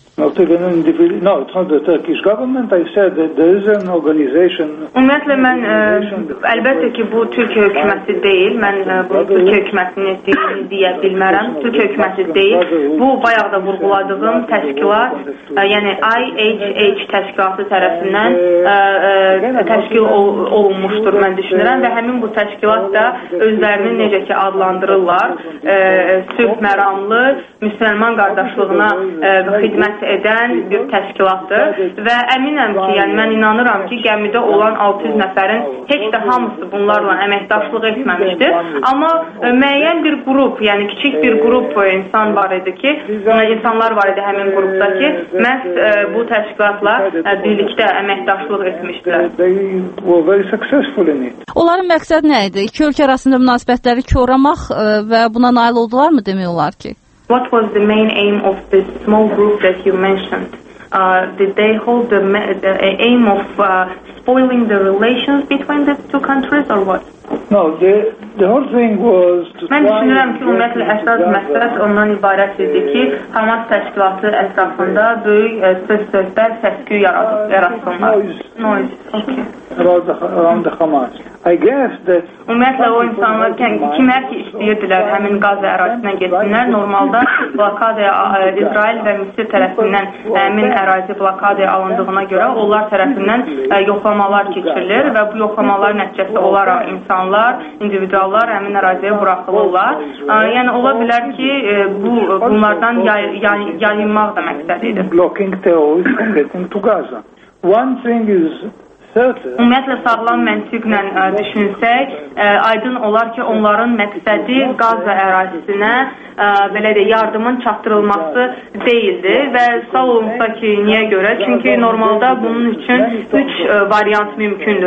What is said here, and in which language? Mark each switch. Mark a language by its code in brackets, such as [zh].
[en] No, it's not the Turkish government. I said that there is an organization. [az] Ümumiyyətlə, mən əlbəttə ki, bu Türkiyə hökuməti deyil. Mən bu Türkiyə hökumətini deyə bilmərəm. Türkiyə hökuməti deyil. Bu, bayaq da vurguladığım təşkilat, yəni IHH təşkilatı tərəfindən təşkil olunmuşdur, mən düşünürəm. Və həmin bu təşkilat da özlərini necə ki adlandırırlar. Sülh məramlı, müsəlman qardaşlığına xidmət edən bir təşkilatdır və əminəm ki, yəni mən inanıram ki, gəmidə olan 600 nəfərin heç də hamısı bunlarla əməkdaşlıq etməmişdir, amma müəyyən bir qrup, yəni kiçik bir qrup insan var idi ki, insanlar var idi həmin qrupda ki, məhz bu təşkilatla birlikdə əməkdaşlıq etmişdilər. Onların məqsəd nə idi? İki ölkə arasında münasibətləri koramaq və buna nail oldular mı demək olar ki? [en] What was the main aim of this small group that you mentioned? Did they hold the aim of spoiling the relations between the two countries or what? No, the whole thing was to [az] mən düşünürəm ki, ümumiyyətlə, əsas məqsəd ondan ibarət idi ki, Hamas təşkilatı əsasında böyük söz-söhbət səs-küy yaratsınlar. Ümumiyyətlə, o insanlar kimər ki istəyirdilər həmin Qaza ərazisinə getsinlər. Normalda blokadaya İsrail və Misir tərəfindən həmin ərazi blokadaya alındığına görə onlar tərəfindən yoxlamalar keçirilir və bu yoxlamalar nəticəsi olaraq insanlar, individuallar həmin əraziyə buraxılırlar. Yəni, ola bilər ki, bu bunlardan yayınmaq da məqsəd idi. [en] Blocking terrorists from getting to Gaza. One thing is [az] ümumiyyətlə, sağlam məntiqlə düşünsək, aydın olar ki, onların məqsədi Qaza ərazisinə belə deyək, yardımın çatdırılması deyildi və sual olunsa ki, niyə görə? Çünki normalda bunun üçün 3 variant mümkündür.